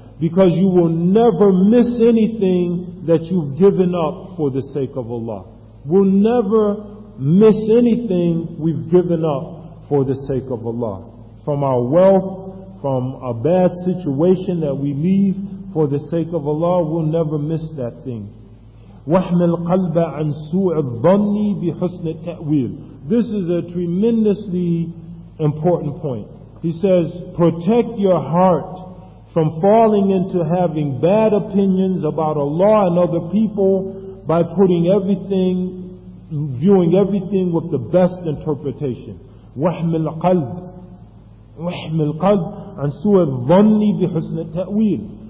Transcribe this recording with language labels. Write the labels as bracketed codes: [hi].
[en] Because you will never miss anything that you've given up for the sake of Allah. We'll never miss anything we've given up for the sake of Allah. From our wealth, from a bad situation that we leave for the sake of Allah, we'll never miss that thing. [ar] وَحْمِلْ قَلْبَ عَنْ سُوءِ الظَّنِّ بِحُسْنِ التَّأْوِيلِ. [en] This is a tremendously important point. He says, protect your heart from falling into having bad opinions about Allah and other people by putting everything, viewing everything with the best interpretation. [ar] وَحْمِلْ قَلْبِ وَحْمِلْ قَلْبِ عَنْ سُوَ الظَّنِّي بِحُسْنِ التَّأْوِيلِ.